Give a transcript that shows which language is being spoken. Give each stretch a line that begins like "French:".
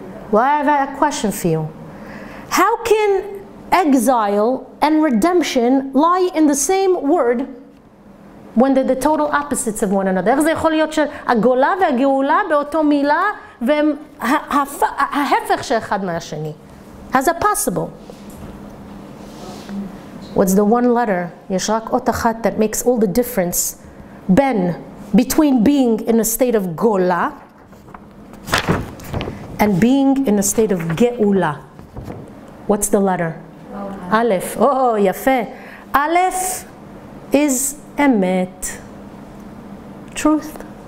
English: Well, I have a question for you. How can exile and redemption lie in the same word when they're the total opposites of one another?
Hebrew: איך זה יכול להיות שהגולה והגאולה באותו מילה והם ההפך של אחד מהשני?
English: How's that possible? What's the one letter?
Hebrew: יש רק אות אחת
English: that makes all the difference between being in a state of גולה and being in a state of גאולה. What's the letter? Aleph. Oh, יפה. Aleph is Emet, truth.